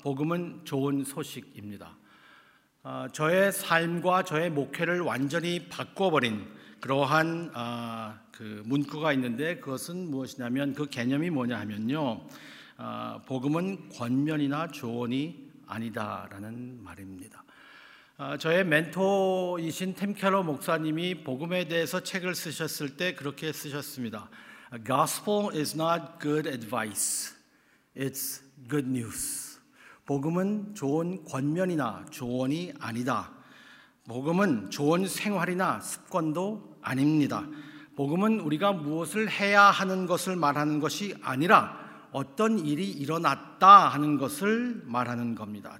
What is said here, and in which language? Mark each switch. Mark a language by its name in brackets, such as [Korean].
[Korean] 복음은 좋은 소식입니다. 저의 삶과 저의 목회를 완전히 바꿔버린 그러한 그 문구가 있는데 그것은 무엇이냐면 그 개념이 뭐냐 하면요, 복음은 권면이나 조언이 아니다라는 말입니다. 저의 멘토이신 템 켈러 목사님이 복음에 대해서 책을 쓰셨을 때 그렇게 쓰셨습니다. [English] Gospel is not good advice, it's good news. [Korean] 복음은 좋은 권면이나 조언이 아니다. 복음은 좋은 생활이나 습관도 아닙니다. 복음은 우리가 무엇을 해야 하는 것을 말하는 것이 아니라 어떤 일이 일어났다 하는 것을 말하는 겁니다.